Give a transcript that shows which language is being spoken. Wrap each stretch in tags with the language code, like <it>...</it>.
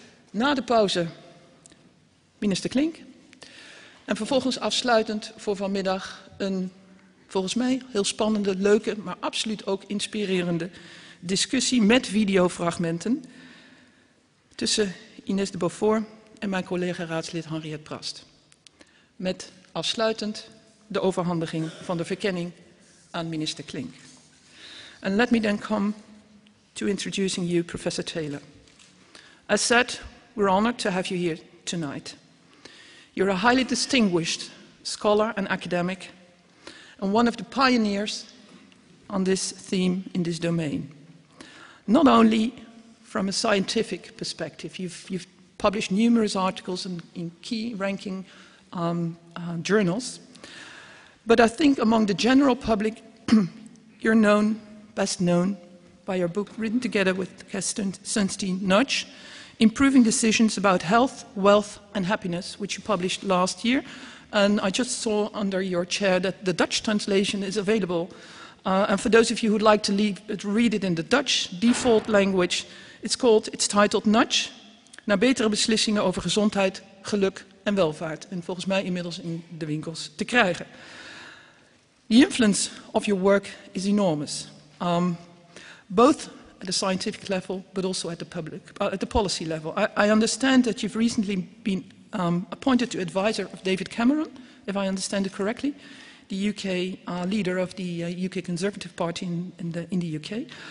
<nl>Na de pauze minister Klink. En vervolgens afsluitend voor vanmiddag een volgens mij heel spannende, leuke, maar absoluut ook inspirerende discussie met videofragmenten tussen Ines de Beaufort en mijn collega raadslid Henriette Prast. Met afsluitend de overhandiging van de verkenning aan minister Klink.</nl> <en>And let me then come to introducing you, Professor Taylor. As said, we're honored to have you here tonight. You're a highly distinguished scholar and academic, and one of the pioneers on this theme in this domain. Not only from a scientific perspective, you've published numerous articles in key ranking journals, but I think among the general public, you're best known by your book written together with Kirsten Sunstein Nudge, Improving Decisions About Health, Wealth and Happiness, which you published last year. And I just saw under your chair that the Dutch translation is available. And for those of you who'd like to read it in the Dutch default language, it's titled Nudge, Naar Betere Beslissingen Over Gezondheid, Geluk en Welvaart.</en> <nl>En volgens mij inmiddels in de winkels te krijgen.</nl> <en>The influence of your work is enormous, both at a scientific level, but also at the public, at the policy level. I understand that you've recently been appointed to advisor of David Cameron, if I understand it correctly, the UK leader of the UK Conservative Party in the UK.</en>